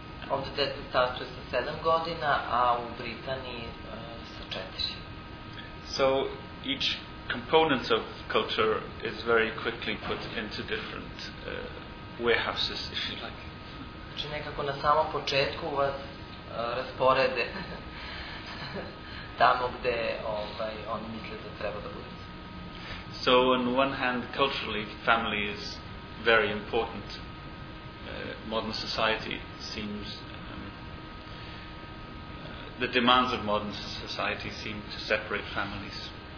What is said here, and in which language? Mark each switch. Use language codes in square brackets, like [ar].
[sr] Ovde deca startuje sa 7 godina, a u Britaniji sa 4. [en] So each component of culture is very quickly put into different warehouses, if you like. [sr] Znači nekako na samom početku vas rasporede tamo gde oni misle da treba da bude. [en] So on one hand, culturally, family is very important. Modern society seems, the demands of modern society seem to separate families.